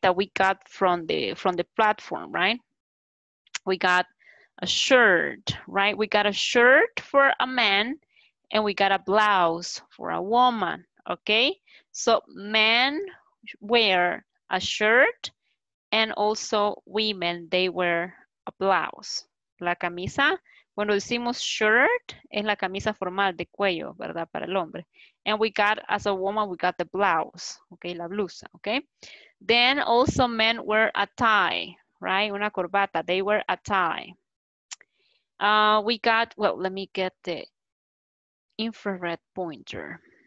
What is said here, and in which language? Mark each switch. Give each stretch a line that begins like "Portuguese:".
English: That we got from the platform, right? We got a shirt, right? We got a shirt for a man and we got a blouse for a woman, okay? So men wear a shirt and also women, they wear a blouse.
Spanish: La camisa, cuando decimos shirt, es la camisa formal de cuello, ¿verdad? Para el hombre.
English: And we got, as a woman, we got the blouse, okay?
Spanish: La blusa,
English: okay? Then also men wear a tie, right?
Spanish: Una corbata,
English: they wear a tie. We got, well, let me get the infrared pointer.